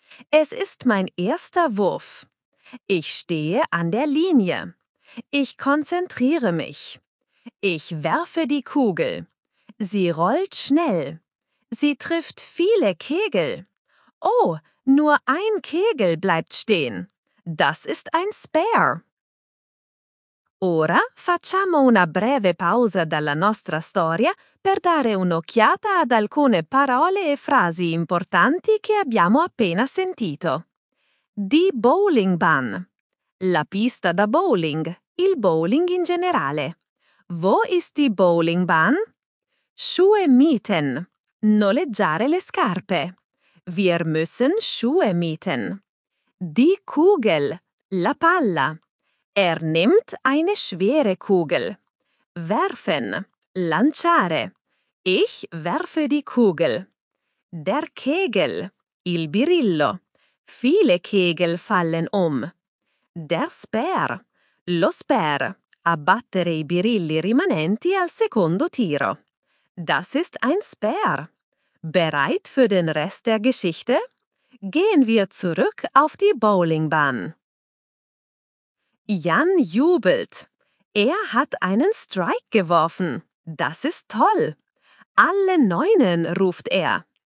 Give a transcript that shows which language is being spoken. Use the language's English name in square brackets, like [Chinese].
[German] Es ist mein erster Wurf. Ich stehe an der Linie. Ich konzentriere mich. Ich werfe die Kugel. Sie rollt schnell. Sie trifft viele Kegel. Oh, nur ein Kegel bleibt stehen. Das ist ein Spare. [Italian] Ora facciamo una breve pausa dalla nostra storia per dare un'occhiata ad alcune parole e frasi importanti che abbiamo appena sentito. [German] Die Bowlingbahn. [Italian] La pista da bowling, il bowling in generale. [German] Wo ist die Bowlingbahn? Schuhe mieten. [Italian] Noleggiare le scarpe. [German] Wir müssen Schuhe mieten. Die Kugel. [Italian] La palla. [German] Nimmt eine schwere Kugel. Werfen. [Italian] Lanciare. [German] Ich werfe die Kugel. Der Kegel. [Italian] Il birillo. [German] Viele Kegel fallen um. Der Speer. Lo Speer. [Italian] Abbattere i birilli rimanenti al secondo tiro. [German] Das ist ein Speer. Bereit für den Rest der Geschichte? Gehen wir zurück auf die Bowlingbahn. Jan jubelt. Er hat einen Strike geworfen. Das ist toll. Alle Neunen, ruft er.